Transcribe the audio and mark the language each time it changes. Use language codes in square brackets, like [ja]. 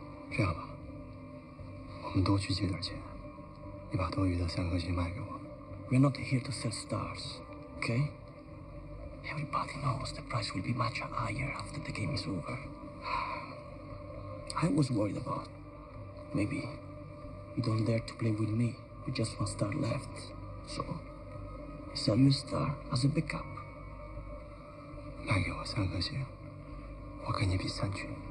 [zh] 这样吧，我们都去借点钱，你把多余的三颗星卖给我。 [en] We're not here to sell stars, okay? Everybody knows the price will be much higher after the game is over. I was worried about. Maybe you don't dare to play with me. You just one star left. So, I sell you a star as a backup. [zh] 卖给我三颗星，我跟你比三局。